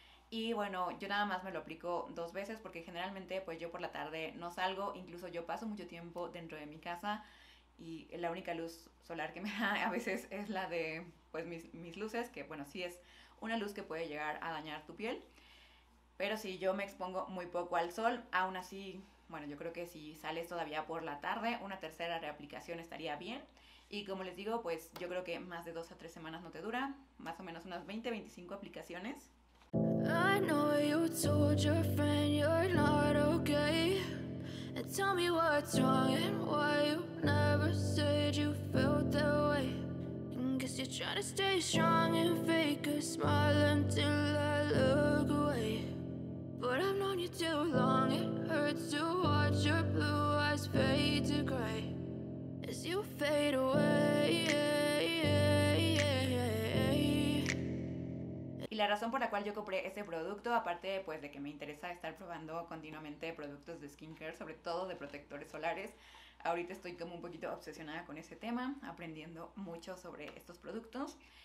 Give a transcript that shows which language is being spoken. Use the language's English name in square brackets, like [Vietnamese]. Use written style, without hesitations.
[Spanish] Y bueno, yo nada más me lo aplico dos veces porque generalmente pues yo por la tarde no salgo, incluso yo paso mucho tiempo dentro de mi casa y la única luz solar que me da a veces es la de pues mis luces, que bueno, sí es una luz que puede llegar a dañar tu piel. Pero sí, yo me expongo muy poco al sol, aún así, bueno, yo creo que si sales todavía por la tarde, una tercera reaplicación estaría bien. Y como les digo, pues yo creo que más de 2 a 3 semanas no te dura, más o menos unas 20, 25 aplicaciones. [English] I know you told your friend you're not okay, and tell me what's wrong and why you never said you felt that way. Guess you're trying to stay strong and fake a smile until I look away. But I've known you too long, it hurts to watch your blue eyes fade to gray. As you fade away, yeah, yeah, [Spanish] yeah, yeah. Y la razón por la cual yo compré este producto, aparte pues de que me interesa estar probando continuamente productos de skincare, sobre todo de protectores solares, ahorita estoy como un poquito obsesionada con ese tema, aprendiendo mucho sobre estos productos.